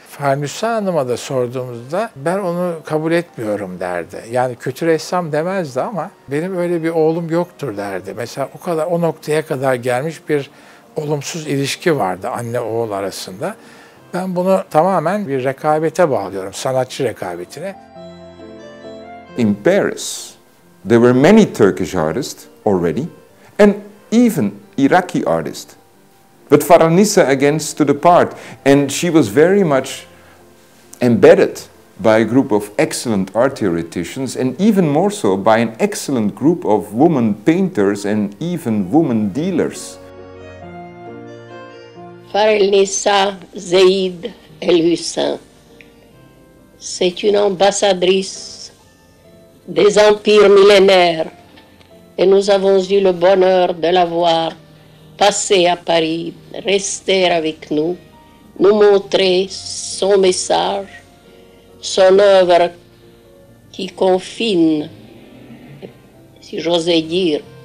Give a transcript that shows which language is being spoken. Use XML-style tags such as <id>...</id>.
<tr>Farnüsa Hanım'a da sorduğumuzda ben onu kabul etmiyorum derdi. Yani kötü ressam demezdi ama benim öyle bir oğlum yoktur derdi. Mesela o kadar o noktaya kadar gelmiş bir olumsuz ilişki vardı anne oğul arasında. Ben bunu tamamen bir rekabete bağlıyorum, sanatçı rekabetine.</tr> <en>In Paris, there were many Turkish artists already and even Iraqi artists. But Farhanisa again stood apart and she was very much embedded by a group of excellent art theoreticians and even more so by an excellent group of women painters and even women dealers.</en> <fr>Farhanisa Zeyd El-Hussein, c'est une ambassadrice des empires millénaires et nous avons eu le bonheur de la voir passer à Paris, rester avec nous, nous montrer son message, son œuvre qui confine, si j'osais dire.</fr>